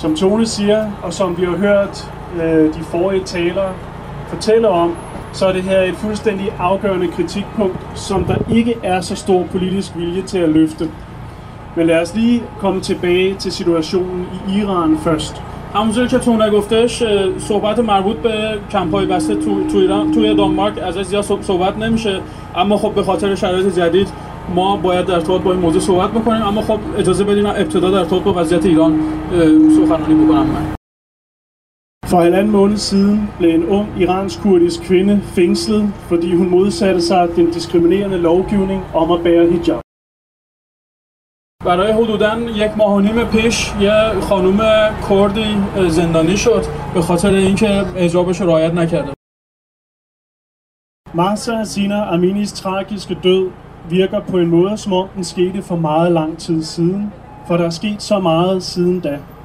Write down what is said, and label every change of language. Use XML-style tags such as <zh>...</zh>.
<da>Som Tone siger, og som vi har hørt de forrige talere fortælle om, så er det her et fuldstændig afgørende kritikpunkt, som der ikke er så stor politisk vilje til at løfte. Men lad os lige komme tilbage til situationen i Iran først.</da> <fa>همونزوی که تونه گفتش صحبت مربوط به کمپای بسته تو ایران توی دانمارک ازش زیاد صحبت نمیشه اما خب به خاطر شرایط جدید ما باید در ارتباط با این موضوع صحبت بکنیم اما خب اجازه بدین ابتدا در ارتباط با وضعیت ایران سخنرانی بکنم من</fa> <da>For halvanden måned siden blev en ung iransk-kurdisk kvinde fængslet, fordi hun modsatte sig den diskriminerende lovgivning om at bære hijab.</da> <fa>برای حدوداً یک ماه و نیم پیش یه خانم کردی زندانی شد به خاطر اینکه حجابش رعایت نکرده.</fa> <da>مهسا سینا امینیس تراجیسک død virker på en måde som om den skete for meget lang tid siden, for der er sket så meget siden da.</da>